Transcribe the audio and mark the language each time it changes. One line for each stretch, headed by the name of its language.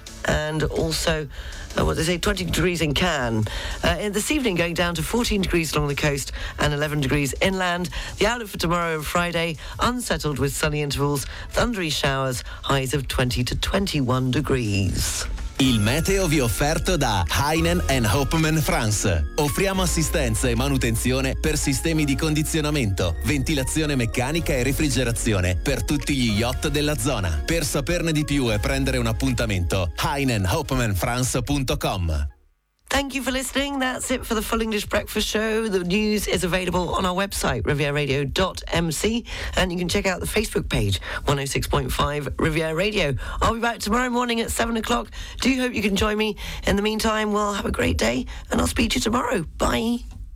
English: And also, what they say, 20 degrees in Cannes. This evening, going down to 14 degrees along the coast and 11 degrees inland. The outlook for tomorrow and Friday, unsettled with sunny intervals, thundery showers, highs of 20 to 21 degrees.
Italian: Il meteo vi offerto da Heinen & Hopman France. Offriamo assistenza e manutenzione per sistemi di condizionamento, ventilazione meccanica e refrigerazione per tutti gli yacht della zona. Per saperne di più e prendere un appuntamento, heinenhopmanfrance.com.
English: Thank you for listening. That's it for the Full English Breakfast Show. The news is available on our website, rivieraradio.mc, and you can check out the Facebook page, 106.5 Riviera Radio. I'll be back tomorrow morning at 7 o'clock. Do hope you can join me. In the meantime, well, have a great day, and I'll speak to you tomorrow. Bye.